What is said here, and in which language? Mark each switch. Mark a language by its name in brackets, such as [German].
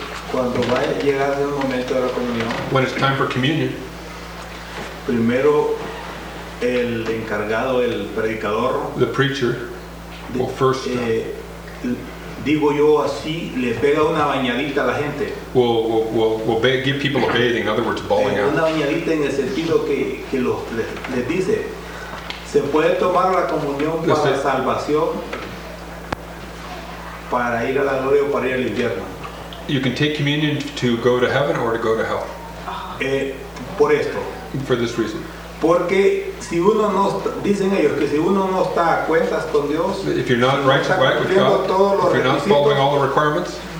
[Spanish] cuando va a llegar el momento de la comunión, [English] when it's time for communion, [Spanish] primero el encargado, el predicador, [English] the preacher, will first, [Spanish] digo yo así, le pega una bañadita a la gente. [English] Will give people a bathing, in other words, bawling out. [Spanish] Una bañadita en el sentido que los les dice. Se puede tomar la comunión para la salvación, para ir a la gloria o para ir al infierno. [English] You can take communion to go to heaven or to go to hell. [Spanish] Por esto. [English] For this reason. [Spanish] Porque si uno no está, dicen ellos que si uno no está a cuentas con Dios, [English] if you're not right, [Spanish] si [English] right with God, if you're not following all the requirements,